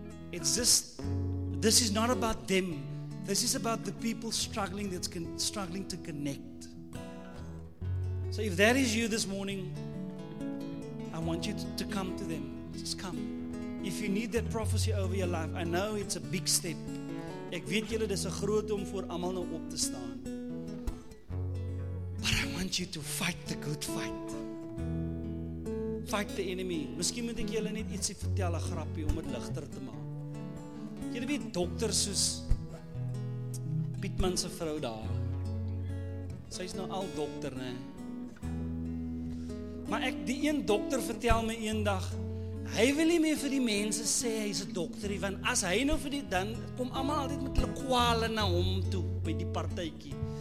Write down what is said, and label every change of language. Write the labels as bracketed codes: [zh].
[en] It's just, this is not about them. This is about the people struggling that's struggling to connect. So if that is you this morning, I want you to come to them. Just come. If you need that prophecy over your life, I know it's a big step. [af] Ek weet julle, dis 'n groot om voor almal nou op te staan. [en] But I want you to fight the good fight. Fight the enemy. [af] Miskien moet ek julle net ietsie vertel, 'n grappie om dit ligter te maak. Julle weet dokter soos Pietman se vrou daar. Sy's nou al dokter, né? Maar ek, die een dokter vertel my eendag, hy wil nie meer vir die mense sê hy's 'n dokter nie, want as hy nou vir die, dan kom almal altyd met hulle kwale na hom toe, by die partytjie.